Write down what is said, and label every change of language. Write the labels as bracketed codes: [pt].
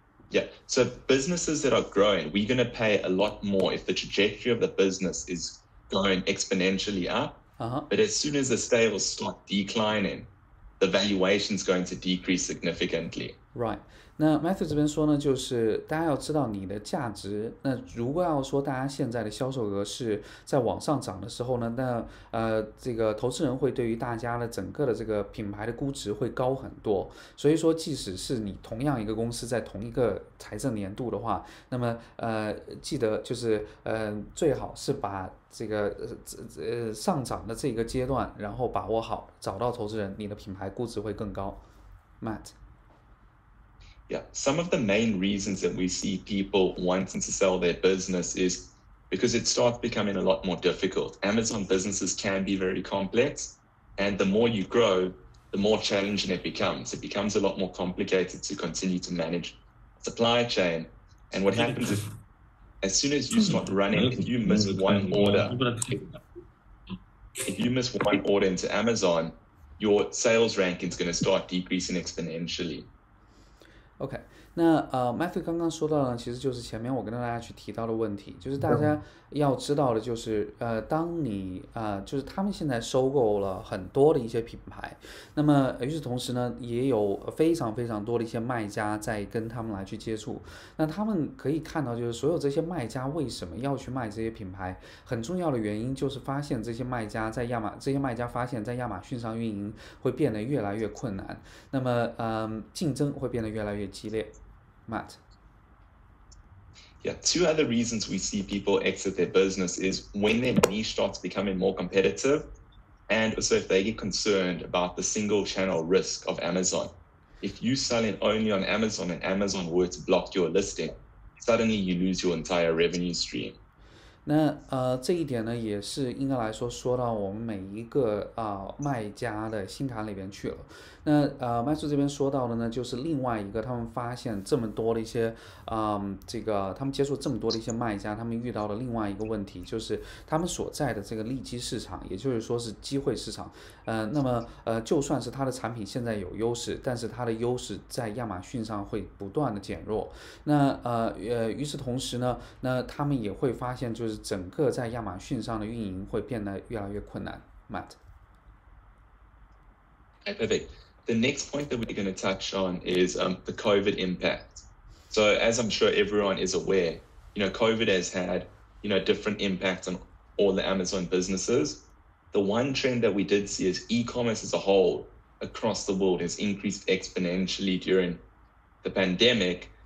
[en] Yeah, so businesses that are growing, we're going to pay a lot more if the trajectory of the business is going exponentially up. Uh-huh. But as soon as the sales start declining, the valuation is going to decrease significantly. Right. [zh] 那 Matthew 这边说呢，就是大家要知道你的价值。那如果要说大家现在的销售额是在往上涨的时候呢，那这个投资人会对于大家的整个的这个品牌的估值会高很多。所以说，即使是你同样一个公司在同一个财政年度的话，那么记得就是最好是把这个上涨的这个阶段然后把握好，找到投资人，你的品牌估值会更高。 Matt。 [en] Yeah, some of the main reasons that we see people wanting to sell their business is because it starts becoming a lot more difficult. Amazon businesses can be very complex, and the more you grow, the more challenging it becomes. It becomes a lot more complicated to continue to manage supply chain. And what happens is, as soon as you start running, if you miss one order into Amazon, your sales ranking is going to start decreasing exponentially. OK, [zh] 那Matthew 刚刚说到呢，其实就是前面我跟大家去提到的问题，就是大家要知道的就是当你就是他们现在收购了很多的一些品牌，那么与此同时呢，也有非常非常多的一些卖家在跟他们来去接触，那他们可以看到就是所有这些卖家为什么要去卖这些品牌，很重要的原因就是发现这些卖家发现在亚马逊上运营会变得越来越困难，那么竞争会变得越来越激烈。 Matt. [en] Yeah, two other reasons we see people exit their business is when their niche starts becoming more competitive, and also if they get concerned about the single channel risk of Amazon. If you sell it only on Amazon and Amazon were to block your listing, suddenly you lose your entire revenue stream. [zh] 那这一点呢，也是应该来说说到我们每一个卖家的心坎里边去了。那麦叔这边说到的呢，就是另外一个他们发现这么多的一些这个他们接触这么多的一些卖家，他们遇到的另外一个问题就是他们所在的这个利基市场，也就是说是机会市场。那么就算是他的产品现在有优势，但是他的优势在亚马逊上会不断的减弱。那与此同时呢，那他们也会发现就是整个在亚马逊上的运营会变得越来越困难。 Matt. [en] Hey, perfect. The next point that we're going to touch on is the COVID impact. So as I'm sure everyone is aware, you know, COVID has had, you know, different impacts on all the Amazon businesses. The one trend that we did see is e-commerce as a whole across the world has increased exponentially during the pandemic.